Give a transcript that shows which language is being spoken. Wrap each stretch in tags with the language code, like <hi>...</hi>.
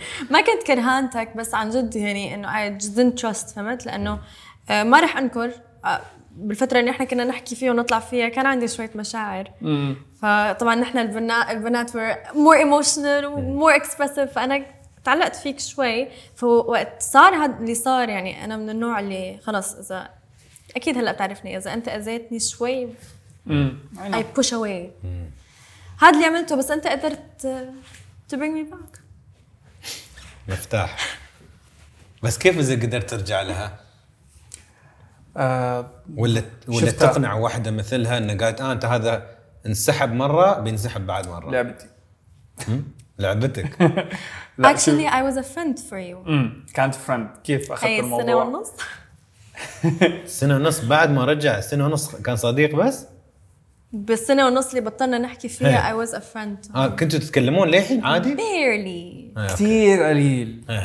<ar>ما كنت كرهانتك بس عن جد يعني انه</ar> <en>I didn't trust</en> <ar>فهمت لانه ما راح انكر بالفترة اللي احنا كنا نحكي فيها ونطلع فيها كان عندي شوية مشاعر فطبعا احنا البنات</ar> <en>were more emotional more expressive</en> <ar>فانا تعلقت فيك شوي فوقت صار هذا اللي صار يعني انا من النوع اللي خلاص اذا اكيد هلا بتعرفني اذا انت اذيتني شوي</ar> <en>I push away</en> <ar>هذا اللي عملته بس انت قدرت</ar> <en>to bring me back</en> <ar>مفتاح بس كيف اذا قدرت ترجع لها ولا تقنع واحدة مثلها إنها قالت أنت هذا انسحب مرة بينسحب بعد مرة لعبتي لعبتك</ar> <en>actually I was a friend for you</en> <ar>كانت friend كيف أخذت الموضوع سنة ونص سنة ونص بعد ما رجع سنة ونص كان صديق بس بالسنة ونص اللي بطلنا نحكي فيها</ar> <en>I was a friend</en> <ar>كنتوا تتكلمون ليه عادي</ar> <en>barely</en> <ar>كثير قليل</ar>